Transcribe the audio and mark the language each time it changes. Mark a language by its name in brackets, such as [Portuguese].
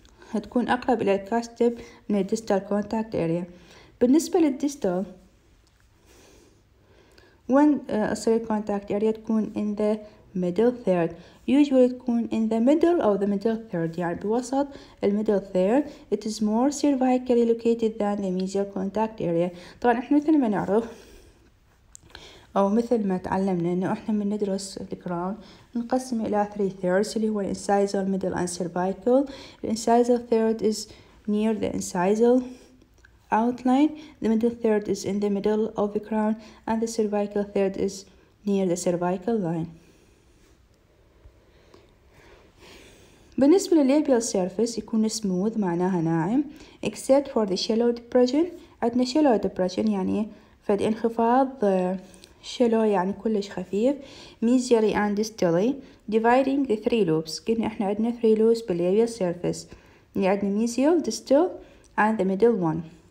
[Arabic] هتكون أقرب إلى الكاستب من الـ [English] distal contact area. [Arabic] بالنسبة للـ distal when أصير contact area تكون [English] in the middle third. Usually تكون in the middle of the middle third [Arabic] يعني بوسط الـ [English] middle third. It is more cervically located than the mesial contact area. [Arabic] طبعا إحنا مثل ما نعرف أو مثل ما تعلمنا إنه إحنا من ندرس the crown نقسم إلى three thirds اللي هو [English] incisal, middle and cervical. The incisal third is near the incisal outline. The middle third is in the middle of the crown and the cervical third is near the cervical line. [Arabic] بالنسبة للليبيال سيرفيس يكون smooth معناها ناعم [English] except for the shallow depression. [Arabic] عندنا [English] shallow depression [Arabic] يعني فد انخفاض شلو يعني كلش خفيف. [English] Mesially and distally dividing the three lobes. [Arabic] قلنا احنا عندنا [English] three lobes بالليبيال surface اللي عندنا mesial distal and the middle one.